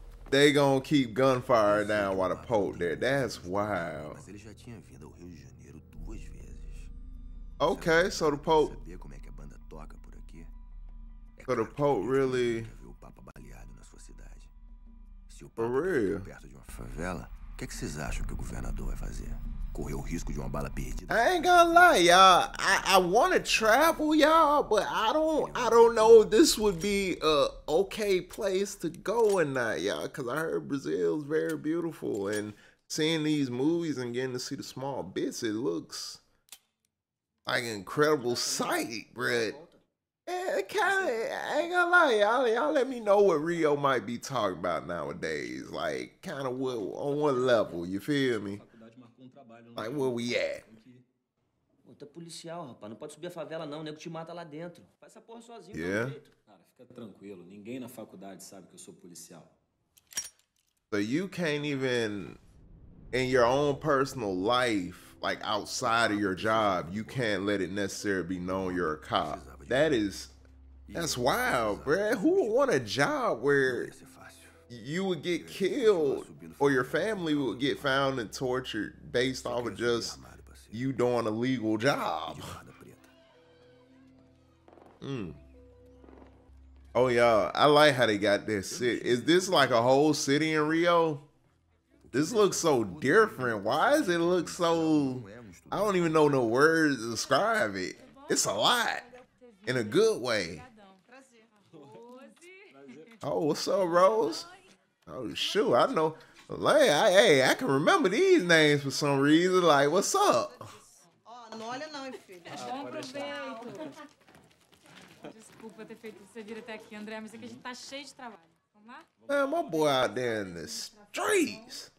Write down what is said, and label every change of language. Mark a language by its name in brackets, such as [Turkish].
[English] They gonna keep gunfire down while the Pope there. That's wild. [Portuguese] Mas ele já tinha vindo ao Rio de Janeiro duas vezes. [English] Okay, so the Pope. [Portuguese] Sabia como é que a banda toca por aqui? [English] So the Pope really. [Portuguese] O Papa baleado na sua cidade. Se o Papa está perto de uma favela, o que é que vocês acham que o governador vai fazer? Correr o risco de uma bala perdida? [English] I ain't gonna lie, y'all. I wanna travel, y'all, but I don't know if this would be a okay place to go or not, y'all. Cause I heard Brazil is very beautiful, and seeing these movies and getting to see the small bits, it looks like an incredible sight, bruh. Y'all let me know what Rio might be talking about nowadays. Like, kind of what, on what level, you feel me? Like, where we at? [Portuguese] Pô, tá policial, rapaz. Não pode subir a favela, não. O nego te mata lá dentro. Faz essa porra sozinho, [English] yeah. [Portuguese] Jeito. Cara, fica tranquilo. Ninguém na faculdade sabe que eu sou policial. [English] So you can't even, in your own personal life, like outside of your job, you can't let it necessarily be known you're a cop. That's wild, bruh. Who would want a job where you would get killed or your family would get found and tortured based off of just you doing a legal job? Oh, y'all, I like how they got this city. Is this like a whole city in Rio? This looks so different. Why does it look so... I don't even know no words to describe it. It's a lot. In a good way. Oh, what's up, Rose? Oh, shoot. I know. Hey, I can remember these names for some reason. Like, what's up? [Portuguese] Oh, não olha não, hein, filho. Bom proveito. Desculpa ter feito você vir até aqui, André, mas aqui a gente tá cheio de trabalho. Vamos lá? [English] Man, my boy out there in the streets.